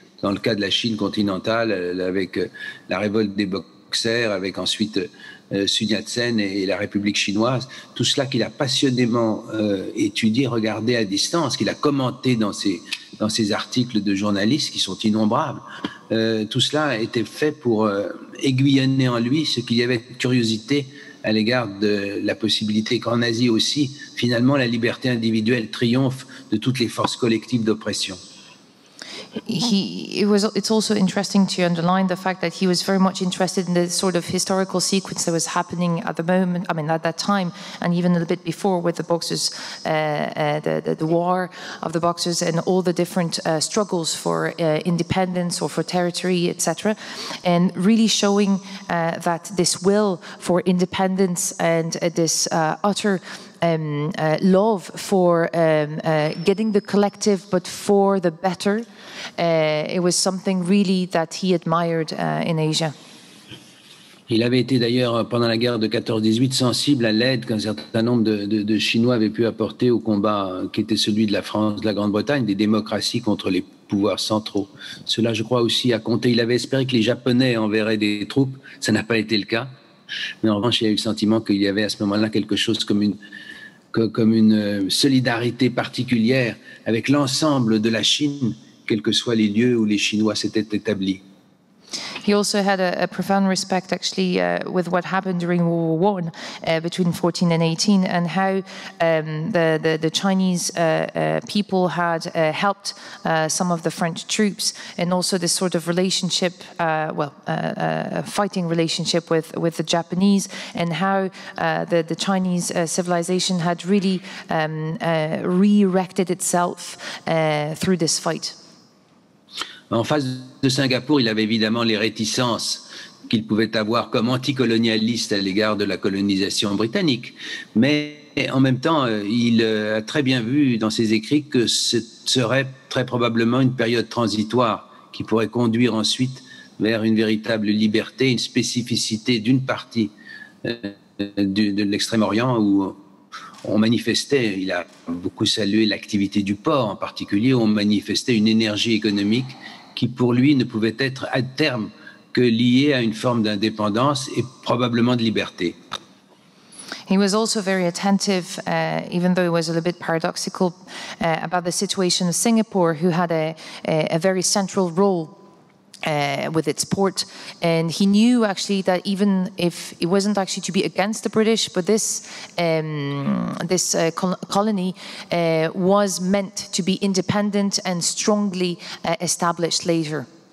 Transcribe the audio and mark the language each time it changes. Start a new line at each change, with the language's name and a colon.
French: Dans le cas de la Chine continentale, avec la révolte des boxers, avec ensuite Sun Yat-sen et la République chinoise, tout cela qu'il a passionnément étudié, regardé à distance, qu'il a commenté dans ses articles de journalistes qui sont innombrables, tout cela était fait pour aiguillonner en lui ce qu'il y avait de curiosité à l'égard de la possibilité qu'en Asie aussi, finalement, la liberté individuelle triomphe de toutes les forces collectives d'oppression.
English: It's also interesting to underline the fact that he was very much interested in the sort of historical sequence that was happening at the moment, I mean at that time, and even a little bit before with the boxers, the war of the boxers and all the different struggles for independence or for territory, etc. And really showing that this will for independence and this utter love for getting the collective but for the better, it was something really that he admired in Asia.
French: Il avait été d'ailleurs pendant la guerre de 14-18 sensible à l'aide qu'un certain nombre de Chinois avaient pu apporter au combat qui était celui de la France, de la Grande-Bretagne, des démocraties contre les pouvoirs centraux. Cela, je crois, aussi a compté. Il avait espéré que les Japonais enverraient des troupes. Ça n'a pas été le cas. Mais en revanche, il y a eu le sentiment qu'il y avait à ce moment-là quelque chose comme une solidarité particulière avec l'ensemble de la Chine, quels que soient les lieux où les Chinois s'étaient établis.
English: He also had a profound respect, actually, with what happened during World War One between 14 and 18, and how the Chinese people had helped some of the French troops, and also this sort of relationship, fighting relationship with the Japanese, and how the Chinese civilization had really re-erected itself through this fight.
French: En face de Singapour, il avait évidemment les réticences qu'il pouvait avoir comme anticolonialiste à l'égard de la colonisation britannique. Mais en même temps, il a très bien vu dans ses écrits que ce serait très probablement une période transitoire qui pourrait conduire ensuite vers une véritable liberté, une spécificité d'une partie de l'Extrême-Orient où on manifestait, il a beaucoup salué l'activité du port en particulier, où on manifestait une énergie économique qui pour lui ne pouvait être à terme que liée à une forme d'indépendance et probablement de liberté.
English: He was also very attentive, even though it was a little bit paradoxical, about the situation of Singapore, who had a very central role with its port, and he knew actually that even if it wasn't actually to be against the British, but this colony was meant to be independent and strongly established later.